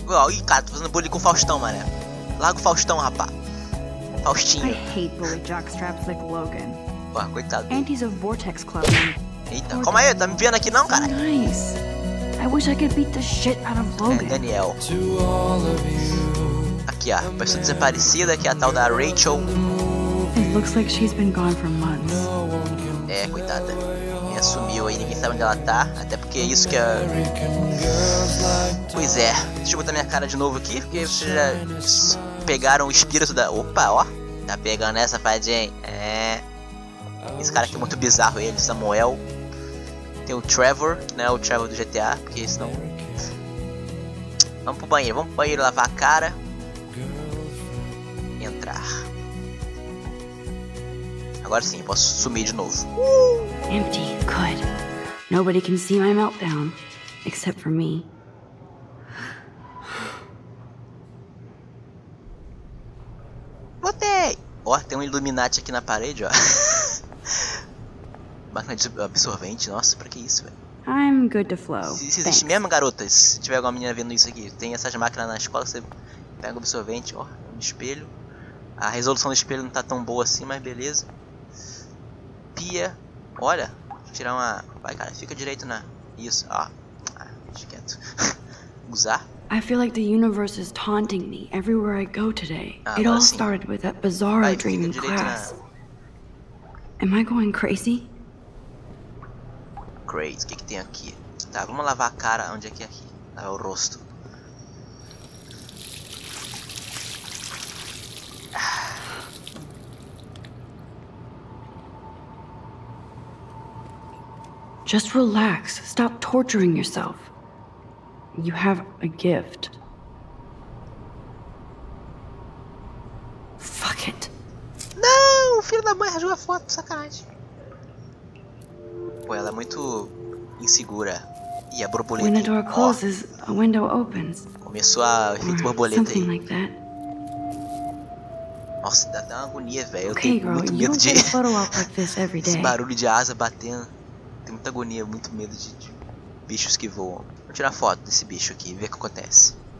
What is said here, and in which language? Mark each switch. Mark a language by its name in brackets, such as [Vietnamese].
[Portuguese] Ih, cara, tô fazendo bullying com o Faustão, mané. Larga o Faustão, rapá. Faustinho. [English] I hate bully jockstraps like Logan. [Portuguese] Pô, coitado. [English] And he's a vortex clown. [Portuguese] Eita, calma aí, tá me vendo aqui não, cara? [English] Nice. I wish I could beat the shit out of Logan. [Portuguese] É, Daniel. Aqui, ó, pessoa desaparecida, aqui é a tal da Rachel. [English] It looks like she's been gone for months. [Portuguese] É, coitada. Ela sumiu aí, ninguém sabe onde ela tá. Até porque é isso que é... Pois é, deixa eu botar minha cara de novo aqui, porque vocês já pegaram o espírito da... Opa, ó, tá pegando essa fadinha, é... Esse cara aqui é muito bizarro, ele, Samuel. Tem o Trevor, né? O Trevor do GTA, porque senão. Vamos pro banheiro lavar a cara. Entrar. Agora sim, posso sumir de novo. [English] Empty, good. Nobody can see my meltdown, except for me. [Portuguese] Botei! Ó, tem um Illuminati aqui na parede, ó. Máquina de absorvente, nossa, pra que isso, velho? [English] I'm good to flow. [Portuguese] Se existe mesmo, garota, se tiver alguma menina vendo isso aqui, tem essas máquinas na escola, você pega o absorvente, ó, no espelho. A resolução do espelho não tá tão boa assim, mas beleza. Pia, olha, tirar uma. Vai, cara, fica direito na. Isso, ó. Ah, quieto. Usar. [English] I feel like the universe is taunting me everywhere I go today. Ah, it all started with that bizarre dream in class. Am I going crazy? [Portuguese] O que tem aqui? Tá, vamos lavar a cara. Onde é que é aqui? Lavar o rosto. [English] Just relax. Stop torturing yourself. You have a gift. Fuck it. [Portuguese] Não, filho da mãe, rasgou a foto, sacanagem. Pô, ela é muito... insegura. E a borboleta. [English] When a door closes, a window opens. [Portuguese] Começou a efeito borboleta [English] something [Portuguese] aí. [English] Like that. [Portuguese] Nossa, dá até uma agonia, velho. [English] Okay, [Portuguese] eu tenho [English] girl, [Portuguese] muito medo de... [English] like [Portuguese] esse barulho de asa batendo. Tem muita agonia, muito medo de bichos que voam. Vou tirar foto desse bicho aqui e ver o que acontece.